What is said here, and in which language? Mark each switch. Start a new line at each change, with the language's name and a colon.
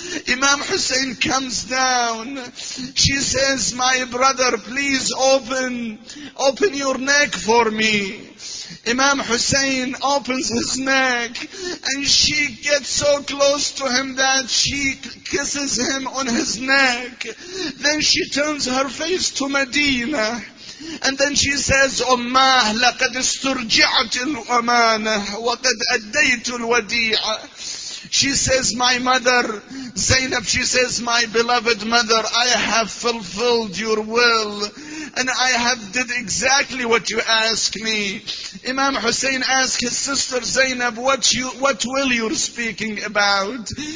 English: Imam Hussein comes down. She says, "My brother, please open your neck for me." Imam Hussein opens his neck and she gets so close to him that she kisses him on his neck. Then she turns her face to Medina. And then she says,
Arabic: "Ummah, لقد استرجعت الأمانة وقد أديت الوديعة."
English: She says, "My mother, Zainab," she says, "my beloved mother, I have fulfilled your will. And I have did exactly what you asked me." Imam Hussein asked his sister Zainab, what will you speaking about?